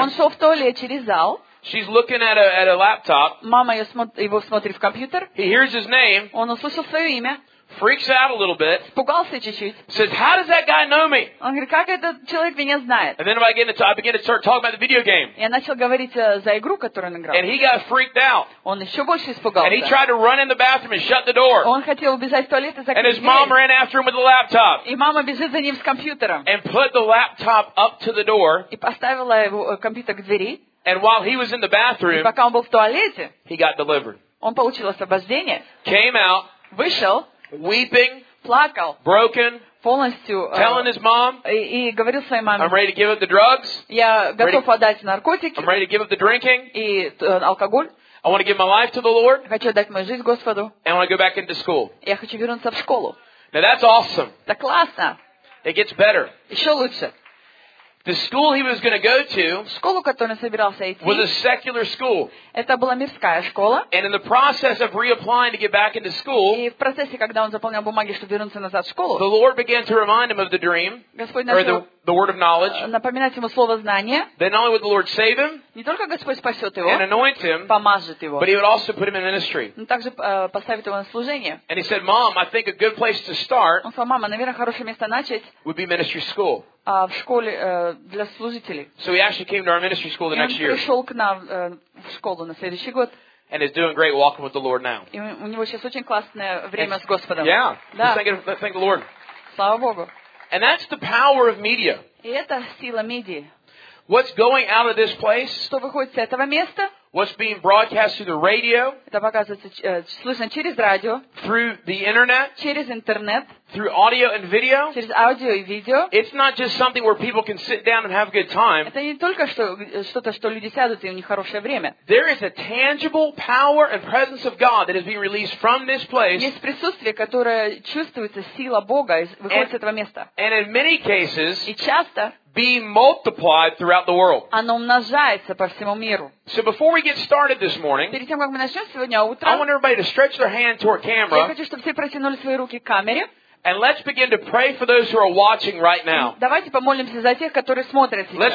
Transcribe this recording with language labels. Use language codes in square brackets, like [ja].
[ru] Он шел в туалет через зал. [en] She's looking at a laptop. [ru] Мама его смотрит в компьютер. [en] He hears his name. [ru] Он услышал свое имя. [en] Freaks out a little bit. [ru] Спугался чуть-чуть. [en] Says, how does that guy know me? [ru] Он говорит, как этот человек меня знает? [en] And then I began to start talking about the video game. [ru] Я начал говорить за игру, которую он играл. [en] And he got freaked out. [ru] Он еще больше испугался. [en] And he tried to run in the bathroom and shut the door. [ru] Он хотел убежать в туалет и закрыть дверь. [en] And his mom ran after him with the laptop. [ru] И мама бежит за ним с компьютером. [en] And put the laptop up to the door. [ru] И поставила его компьютер к двери. [en] And while he was in the bathroom, [ru] пока он был в туалете, [en] he got delivered. [ru] Он получил освобождение. [en] Came out. [ru] Вышел. [en] Weeping, [ru] плакал, [en] broken, [ru] полностью, [en] telling his mom, [ru] и говорил своей маме, [en] I'm ready to give up the drugs, [ru] я готов отдать наркотики, [en] I'm ready to give up the drinking, [ru] и алкоголь, [en] I want to give my life to the Lord, [ru] хочу отдать мою жизнь Господу, [en] and I want to go back into school. [ru] Я хочу вернуться в школу. [en] Now that's awesome. [ru] Это классно. [en] It gets better. [ru] Еще лучше. [en] The school he was going to go to, [ru] школу, которую он собирался идти, [en] was a secular school. [ru] Это была мирская школа. [en] And in the process of reapplying to get back into school, [ru] и в процессе, когда он заполнял бумаги, чтобы вернуться назад в школу, [en] the Lord began to remind him of the dream, [ru] Господь начал, [en] or the word of knowledge, [ru] напоминать ему слово знания. [en] Then not only would the Lord save him, [ru] не только Господь спасет его, [en] and anoint him, [ru] помажет его, [en] but he would also put him in ministry. [ru] Но также поставит его на служение. [en] And he said, "Mom, I think a good place to start, [ru] он сказал, мама, наверное, хорошее место начать, [en] would be ministry school." [ru] В школе для служителей. [en] So he actually came to our ministry school the next year. [ru] Он пришел к нам в школу на следующий год. [en] And is doing great walking with the Lord now. [ru] И у него сейчас очень классное время с Господом. [en] Yeah. [ru] Да. [en] Thank the Lord. [ru] Слава Богу. [en] And that's the power of media. [ru] И это сила медии. [en] What's going out of this place? [ru] Что выходит с этого места? [en] What's being broadcast through the radio? [ru] Это показывается, слышно через радио. [en] Through the internet? [ru] Через интернет. [en] Through audio and video? [ru] Через аудио и видео. [en] It's not just something where people can sit down and have a good time. [ru] Это не только что-то, что люди сядут и у них хорошее время. [en] There is a tangible power and presence of God that is being released from this place. [ru] Есть присутствие, которое чувствуется, сила Бога выходит с этого места. [en] And in many cases, [ru] и часто, [en] being multiplied throughout the world. [ru] Оно умножается по всему миру. [en] So before we get started this morning, [ru] перед тем, как мы начнем сегодня утро, [en] I want everybody to stretch their hand toward camera. [ru] Я хочу, чтобы все протянули свои руки к камере. [en] And let's begin to pray for those who are watching right now. [ru] Давайте помолимся за тех, которые смотрят сейчас.